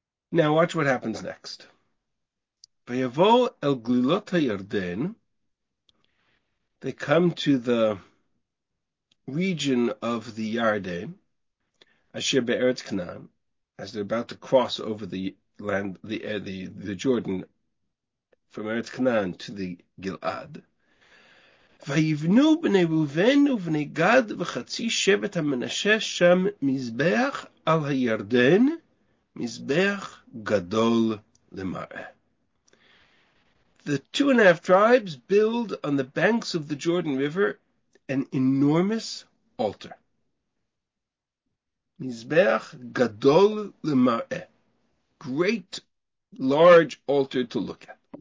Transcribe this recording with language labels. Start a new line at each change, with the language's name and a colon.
English: Now watch what happens next.
Hebrew: Vayavo el glilot ha-yarden,
English: they come to the region of the Yarden,
Hebrew: asher be'eretz Canaan,
English: as they're about to cross over the land, the Jordan, from Eretz Canaan to the Gilad.
Hebrew: ויבנו בני ראובן ובני גד וחצי שבט המנשה שם מזבח על הירדן, מזבח גדול למראה.
English: The two and a half tribes build on the banks of the Jordan River an enormous altar.
Hebrew: מזבח גדול למראה.
English: Great, large altar to look at.